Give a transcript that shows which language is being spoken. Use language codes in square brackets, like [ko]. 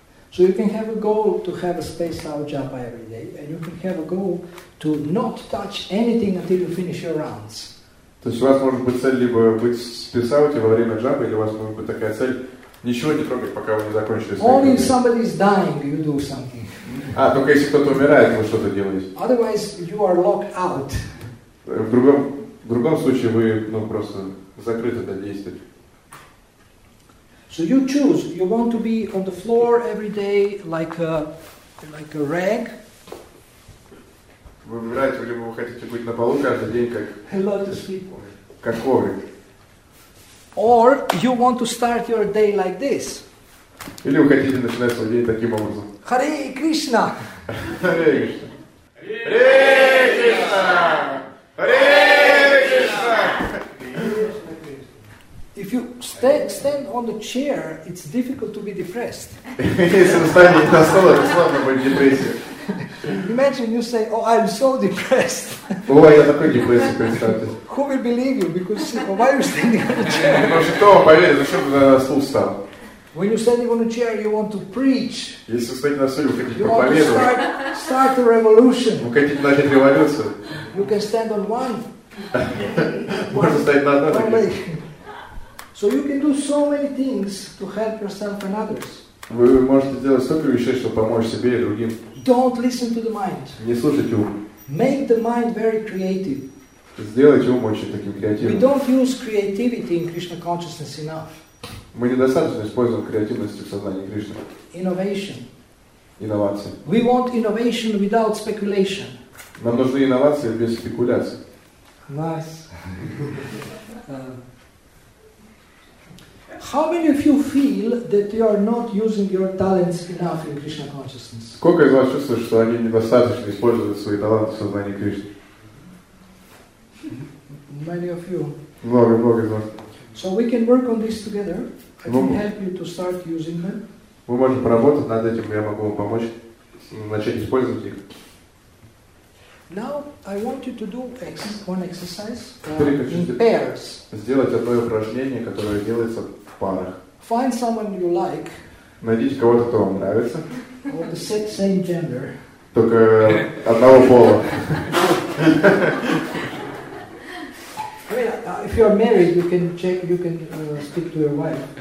[en] So you can have a goal to have a spaced out japa every day, and you can have a goal to not touch anything until you finish your rounds. [ru] То есть у вас может быть цель либо быть списауте во время джапы, или у вас может быть такая цель ничего не трогать, пока вы не закончите. [en] Only if somebody is dying, you do something. [ru] А только если кто-то умирает, вы что-то делаете. [en] Otherwise, you are locked out. [ru] В другом случае вы ну просто закрыты для действий. [en] So you choose. You want to be on the floor every day like a rag. [ru] Вы выбираете, либо вы хотите быть на полу каждый день как. [en] Hello to sleep. [ru] Как коврик. [en] Or you want to start your day like this. [ru] Или вы хотите начинать свой день таким образом. [sa] Hare Krishna. Hare Krishna. Hare Krishna. Hare Krishna. [en] If you stand on the chair, it's difficult to be depressed. Imagine you say, "Oh, I'm so depressed." [ru] Oh, я такой депрессивный, представьте. [en] Who will believe you? Because why are you standing on the chair? [ru] Может, кто вам поверит, зачем ты на стул встал? [en] When you're standing on a chair, you want to preach. [ru] Если стоите на стуле, вы хотите проповедовать. [en] You want to start a revolution. [ru] Вы хотите начать революцию. [en] You can stand on one. [ru] Можно стоять на одной ноге. [en] So you can do so many things to help yourself and others. [ru] Вы можете сделать столько вещей, чтобы помочь себе и другим. [en] Don't listen to the mind. [ru] Не слушайте ум. [en] Make the mind very creative. [ru] Сделайте ум очень таким креативным. [en] We don't use creativity in Krishna consciousness enough. [ru] Мы недостаточно используем креативность в сознании Кришны. [en] Innovation. [ru] Инновации. [en] We want innovation without speculation. [ru] Нам нужны инновации без спекуляций. [en] Nice. How many of you feel that you are not using your talents enough in Krishna consciousness? [ru] Сколько из вас чувствует, что они недостаточно используют свои таланты в сознании Кришны? [en] Many of you. [ru] Много из вас. [en] So we can work on this together. I can help you to start using them. [ru] Мы можем поработать над этим, я могу вам помочь начать использовать их. [en] Now I want you to do one exercise in pairs. [ru] Сделать одно упражнение, которое делается в парах. [en] Find someone you like. [ru] Найдите кого-то, кто вам нравится. [en] Of the same gender. [ru] Только одного пола. [en] If you are married, you can check. You can speak to your wife.